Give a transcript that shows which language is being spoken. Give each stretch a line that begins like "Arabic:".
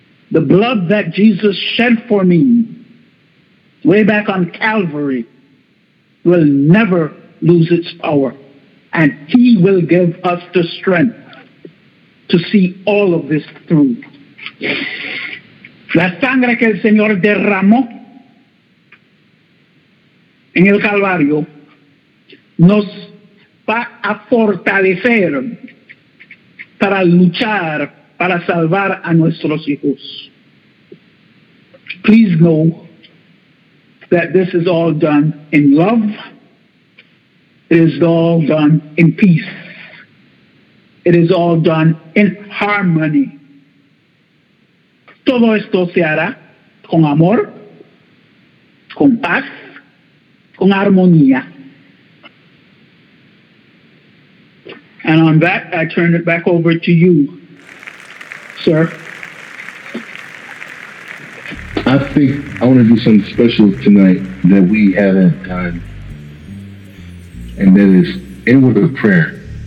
English: The blood that Jesus shed for me way back on Calvary will never lose its power, and he will give us the strength to see all of this through.
Spanish: La sangre que el Señor derramó en el Calvario nos va a fortalecer para luchar, para salvar a nuestros hijos.
English: Please know that this is all done in love. It is all done in peace. It is all done in harmony.
Spanish: Todo esto se hará con amor, con paz, con armonía.
English: And on that, I turn it back over to you, sir. I think I want to do something special tonight that we haven't done, and that is end with a prayer.